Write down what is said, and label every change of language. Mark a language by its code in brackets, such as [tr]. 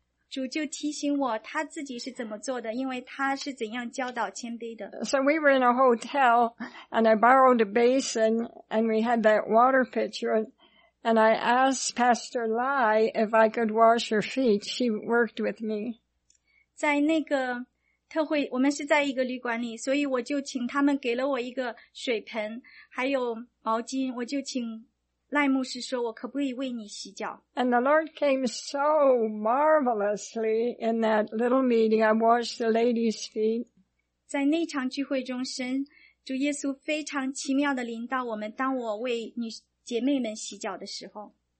[zh] 主就提醒我他自己是怎么做的，因为他是怎样教导谦卑的。 [en] So we were in a hotel, and I borrowed a basin, and we had that water pitcher, And I asked Pastor Lai if I could wash her feet. She worked with me. [zh] 在那个特会，我们是在一个旅馆里，所以我就请他们给了我一个水盆，还有毛巾。我就请赖牧师说，我可不可以为你洗脚？ [en] And the Lord came so marvelously in that little meeting. I washed the lady's feet. [zh] 在那场聚会中，神主耶稣非常奇妙地临到我们，当我为女姐妹们洗脚的时候。